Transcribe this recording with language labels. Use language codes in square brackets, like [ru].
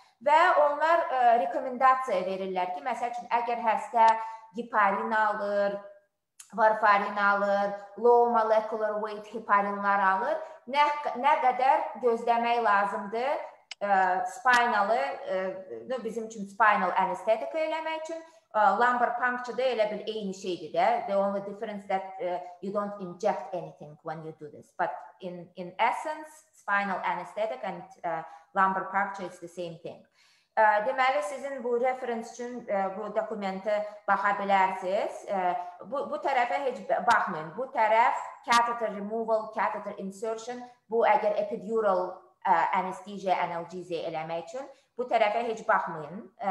[az] Və onlar rekomendasiya verirlər ki, məsəl üçün, əgər həstə heparin alır, varfarin alır, low molecular weight heparinlar alır. Nə qədər gözləmək lazımdır spinalı, bizim üçün spinal anesthetic eləmək üçün. Lumbar puncture-da elə bir eyni şeydir də. [en] The only difference that you don't inject anything when you do this. But in essence, spinal anesthetic and lumbar puncture is the same thing. [az] Deməli, sizin bu referens üçün bu dokumenti baxa bilərsiniz. Bu tərəfə heç baxmayın. Bu tərəf catheter removal, catheter insertion, bu əgər epidural anesthesia, analgesia eləmək üçün, bu tərəfə heç baxmayın.